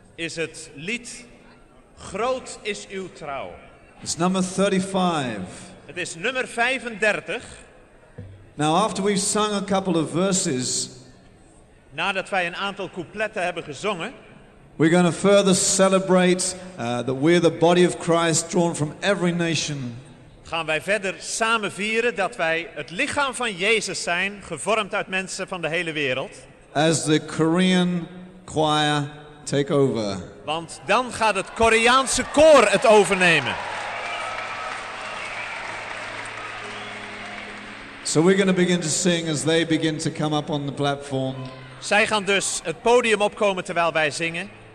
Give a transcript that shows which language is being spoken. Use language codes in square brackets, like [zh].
[nl] Is het lied Groot is uw trouw. [en] It's number 35. [nl] Het is nummer 35. [en] Now, after we've sung a couple of verses, [nl] nadat wij een aantal coupletten hebben gezongen, [en] we're going to further celebrate that we're the body of Christ drawn from every nation. [nl] Gaan wij verder samen vieren dat wij het lichaam van Jezus zijn, gevormd uit mensen van de hele wereld. [en] As the Korean choir take over. [nl] Want dan gaat het Koreaanse koor het overnemen. [en] So we're going to begin to sing as they begin to come up on the platform. [nl] Zij gaan dus het podium opkomen terwijl wij zingen.